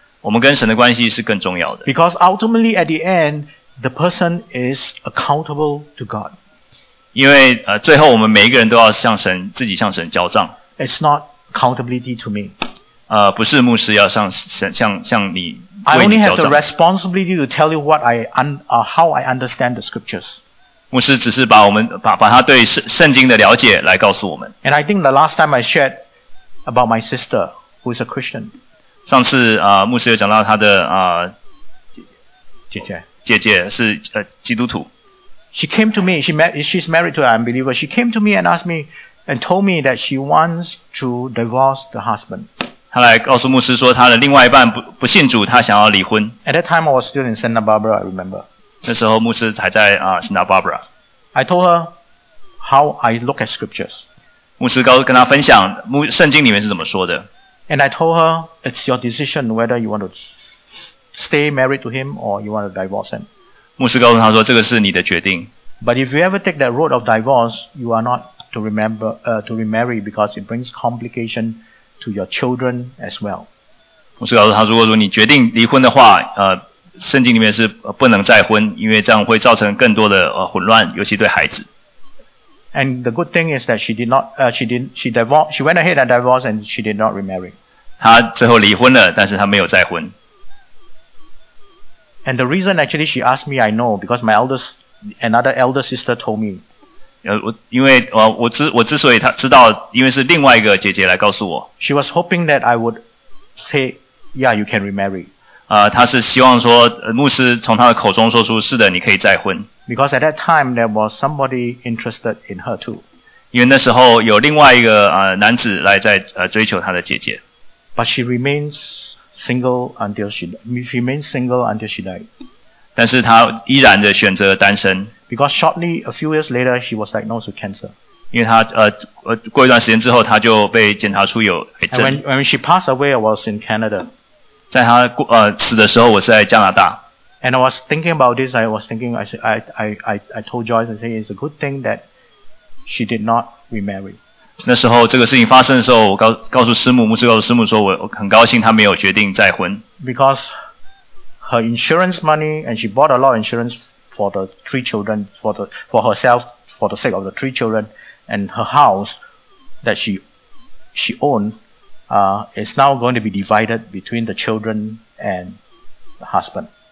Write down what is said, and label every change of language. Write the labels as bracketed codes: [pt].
[zh] 我们跟神的关系是更重要的。 [en] Because ultimately at the end, the person is accountable to God. [zh] 因为最后我们每一个人都要向神自己向神交账。 [en] It's not accountability to me. [zh] 不是牧师要向神向你为你交账。 [en] I only have the responsibility to tell you what I how I understand the scriptures. [zh] 牧师只是把我们把他对圣经的了解来告诉我们。 [en] And I think the last time I shared about my sister who is a Christian. [zh] 上次牧师有讲到他的姐姐是基督徒。 [en] She came to me. She's married to an unbeliever. She came to me and asked me and told me that she wants to divorce the husband. [zh] 她来告诉牧师说她的另外一半不信主，她想要离婚。 [en] At that time I was still in Santa Barbara. I remember. [zh] 那时候牧师还在Santa Barbara. [en] I told her how I look at scriptures. [zh] 牧师跟她分享圣经里面是怎么说的。 [en] And I told her it's your decision whether you want to stay married to him or you want to divorce him. [zh] 牧师告诉她说这个是你的决定。 [en] But if you ever take that road of divorce, you are not to remarry because it brings complication to your children as well. [zh] 牧师告诉她如果说你决定离婚的话圣经里面是不能再婚，因为这样会造成更多的混乱，尤其对孩子。 [en] And the good thing is that she went ahead and divorced and she did not remarry. [zh] 她最后离婚了，但是她没有再婚。 [en] And the reason actually she asked me, I know because my another elder sister told me. [zh] 因为我之所以她知道，因为是另外一个姐姐来告诉我。 [en] She was hoping that I would say, yeah, you can remarry. [zh] 他是希望说牧师从他的口中说出是的你可以再婚。 [en] Because at that time there was somebody interested in her too. [zh] 因为那时候有另外一个男子来在追求他的姐姐。 [en] But she remains single until she died. [zh] 但是他依然的选择单身。 [en] Because shortly, a few years later, she was diagnosed with cancer. [zh] 因为他过一段时间之后他就被检查出有癌症。 [en] And when she passed away, I was in Canada. [zh] 在他死的时候我是在加拿大。 [en] And I was thinking about this, I told Joyce, I said, it's a good thing that she did not remarry. [zh] 那时候这个事情发生的时候，我告诉师母，牧师告诉师母说，我很高兴他没有决定再婚。 [en] Because her insurance money, and she bought a lot of insurance for the three children, for herself, for the sake of the three children, and her house that she owned, is now going to be divided between the children and the husband.